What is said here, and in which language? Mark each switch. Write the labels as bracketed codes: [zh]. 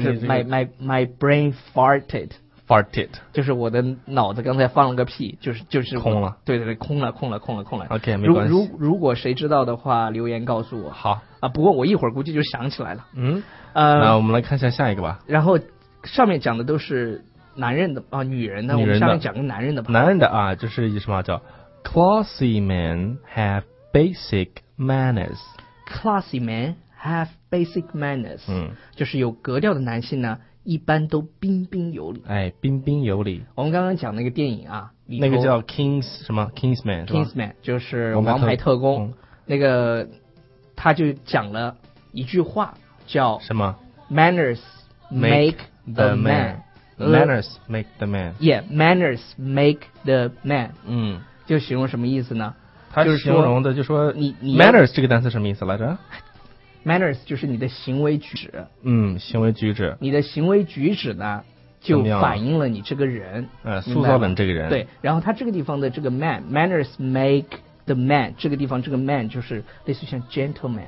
[zh] 就是 [en] my brain farted， [zh] 就是我的脑子刚才放了个屁，就是空了，对，空了。 OK， 没关系。如果谁知道的话，留言告诉我。好啊，不过我一会儿估计就想起来了。嗯，那我们来看一下下一个吧。然后上面讲的都是。男人的啊，女人的，我们下面讲个男人的吧。男人的啊，就是什么叫 [en] classy men have basic manners。 classy men have basic manners。嗯， [zh] 就是有格调的男性呢，一般都彬彬有礼。哎，彬彬有礼。我们刚刚讲那个电影啊，那个叫 Kings 什么 Kingsman 是吧？Kingsman 就是王牌特工。那个他就讲了一句话叫什么 [en] ？Manners make the man。 Manners make the man. Yeah, manners make the man. 嗯， [zh] 就形容什么意思呢？他形容的就说你 manners 这个单词什么意思来着？Manners 就是你的行为举止。嗯，行为举止。你的行为举止呢，就反映了你这个人。塑造了这个人。对，然后他这个地方的这个 [en] manners make the man， [zh] 这个地方这个 man 就是类似像 gentleman。